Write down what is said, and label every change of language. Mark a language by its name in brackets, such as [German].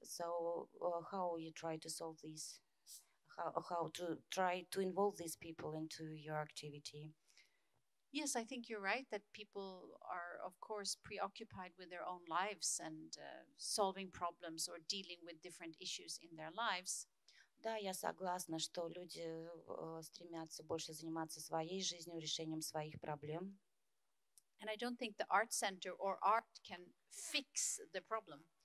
[English] So how you try to solve this, how to try to involve these people into your activity? Yes, I think you're right that people are, of course, preoccupied with their own lives and solving problems or dealing with different issues in their lives. [Russian] Да, я согласна, что люди стремятся больше заниматься своей жизнью, решением своих проблем. [English] And I don't think the art center or art can fix the problem.